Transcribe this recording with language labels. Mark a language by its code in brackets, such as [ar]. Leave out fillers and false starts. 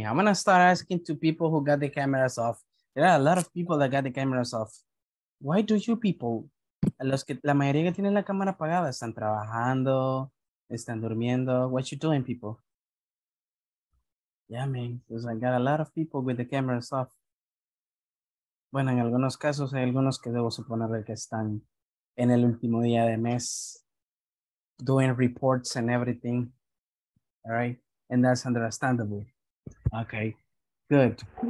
[en] I'm going to start asking to people who got the cameras off. There are a lot of people that got the cameras off. Why do you people? [es] A los que la mayoría que tienen la cámara apagada están trabajando, están durmiendo. [en] What you doing, people? Yeah, man, because I got a lot of people with the cameras off. [es] Bueno, en algunos casos hay algunos que debo suponer que están en el último día de mes [en] doing reports and everything. All right, and that's understandable. Okay, good.